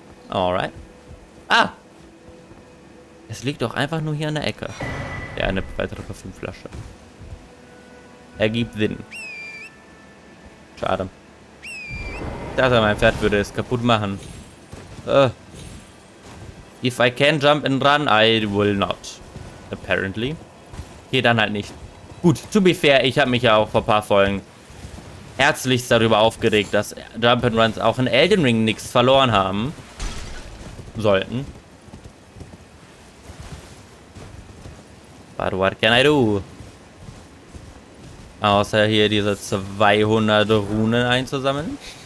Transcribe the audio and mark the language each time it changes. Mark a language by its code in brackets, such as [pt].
[de] Alright. Ah! Es liegt doch einfach nur hier an der Ecke. Ja, eine weitere Parfümflasche. Ergibt Sinn. Schade. Dass er mein Pferd würde es kaputt machen. [en] If I can jump and run, I will not. [de] Apparently. Okay, dann halt nicht. Gut, [en] to be fair, [de] ich habe mich ja auch vor ein paar Folgen herzlichst darüber aufgeregt, dass Jump'n'Runs auch in Elden Ring nichts verloren haben sollten. [en] But what can I do? [de] Außer hier diese 200 Runen einzusammeln.